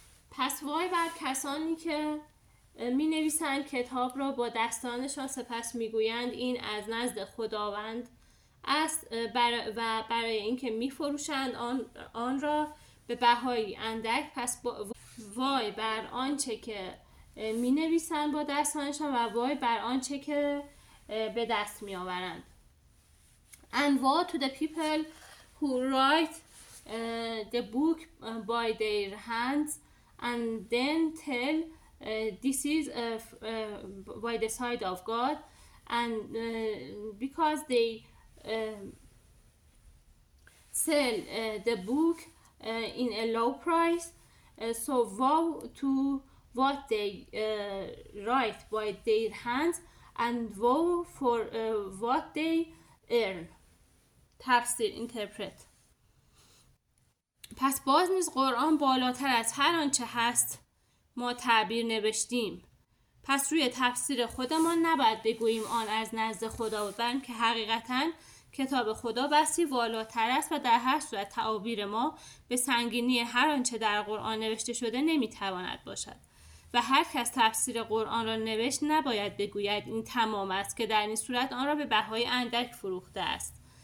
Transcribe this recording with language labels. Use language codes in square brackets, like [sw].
[fa] پس وای بر کسانی که می نویسند کتاب را با دستانشان سپس می گویند این از نزد خداوند است و برای اینکه می فروشند آن را به بهایی اندک. پس وای بر آنچه که می نویسند با دستانشان و وای بر آنچه که به دست می آورند. [en] And woe to the people who write the book by their hands and then tell this is by the side of God and because they sell the book in a low price, so woe to what they write by their hands and woe for what they earn. [fa] تفسیر interpret. پس باز نیز قرآن بالاتر از هر آنچه هست ما تعبیر نوشتیم. پس روی تفسیر خودمان نباید بگوییم آن از نزد خدا بود، بلکه حقیقتاً کتاب خدا بسی والاتر است و در هر صورت تعابیر ما به سنگینی هر آنچه در قرآن نوشته شده نمیتواند باشد و هر کس تفسیر قرآن را نوشت نباید بگوید این تمام است که در این صورت آن را به بهای اندک فروخته است